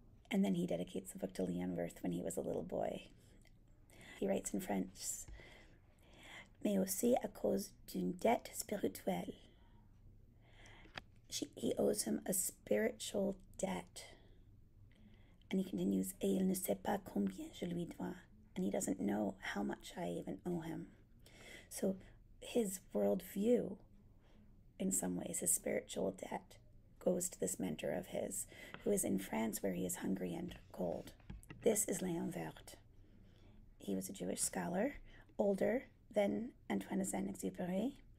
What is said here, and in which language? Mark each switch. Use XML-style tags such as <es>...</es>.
<en>And then he dedicates the book to Léon Werth when he was a little boy. He writes in French,</en> <fr>mais aussi à cause d'une dette spirituelle.</fr> <en>He owes him a spiritual debt. And he continues,</en> <fr>et il ne sait pas combien je lui dois.</fr> <en>And he doesn't know how much I even owe him. So his worldview, in some ways, his spiritual debt, goes to this mentor of his, who is in France where he is hungry and cold. This is Léon Werth. He was a Jewish scholar, older than Antoine Saint-Exupéry.</en>